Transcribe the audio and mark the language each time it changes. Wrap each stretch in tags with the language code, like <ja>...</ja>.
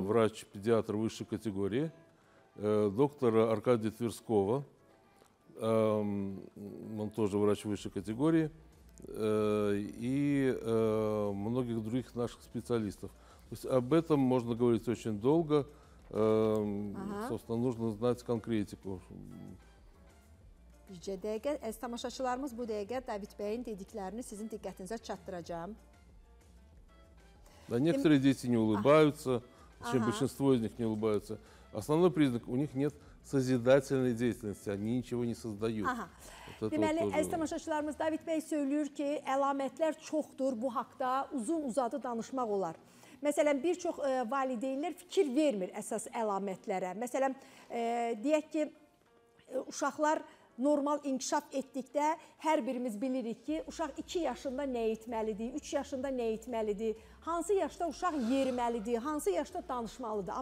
<ru>врач-педиатр высшей категории, доктора Аркадия Тверского, он тоже врач высшей категории, и многих других наших специалистов. То есть об этом можно говорить очень долго. Ага. Собственно, нужно знать конкретику.</ru> <az>Bircə dəqiqə, əziz tamaşaçılarımız bu dəqiqə David bəyin dediklərini sizin diqqətinizə çatdıracağım.</az> <ru>Да, некоторые дети не улыбаются, чем большинство из них не улыбаются. Основной признак, у них нет созидательной деятельности, они ничего не создают. Ага.</ru> <az>Deməli, əziz tamaşaçılarımız David bəy söylüyor ki, əlamətlər çoxdur, bu haqda uzun-uzadı danışmaq olar. Məsələn, bir çox valideynlər fikir vermir əsas əlamətlərə. Məsələn, deyək ki, uşaqlar normal inkişaf etdikdə hər birimiz bilirik ki, uşaq 2 yaşında nə etməlidir, 3 yaşında nə etməlidir, hansı yaşda uşaq yeriməlidir, hansı yaşda danışmalıdır.</az>